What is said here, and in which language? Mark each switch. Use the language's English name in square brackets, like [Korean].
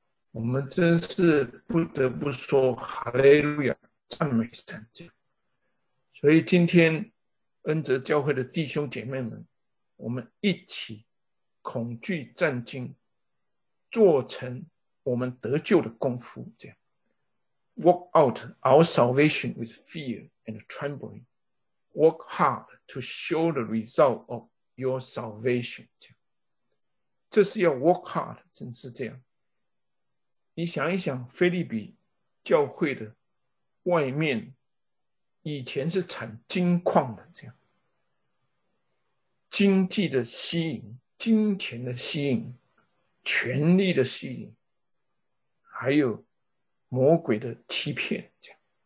[Chinese] 我们真是不得不说哈利路亚，赞美神，这样。所以今天恩泽教会的弟兄姐妹们，我们一起恐惧战惊，做成我们得救的功夫，这样。 [English] Work out our salvation with fear and trembling. Work hard to show the result of your salvation. [Chinese] 这是要 work hard，真是这样。你想一想，腓立比教会的外面以前是产金矿的，这样，经济的吸引，金钱的吸引，权力的吸引，还有魔鬼的欺骗，这样。